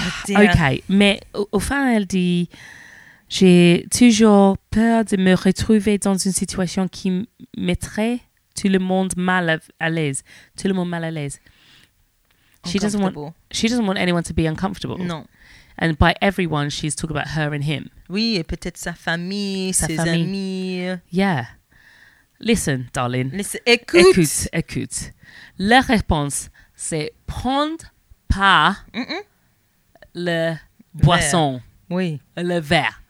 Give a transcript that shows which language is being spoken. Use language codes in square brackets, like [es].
[fr] Oh, OK, mais au fin, elle dit, j'ai toujours peur de me retrouver dans une situation qui mettrait tout le monde mal à l'aise. [en] She doesn't want anyone to be uncomfortable. [fr] Non. [en] And by everyone, she's talking about her and him. [fr] Oui, et peut-être sa famille, ses amis. [en] Yeah. Listen, darling. [fr] Écoute. La réponse, c'est prendre pas le boisson. Oui. Le verre.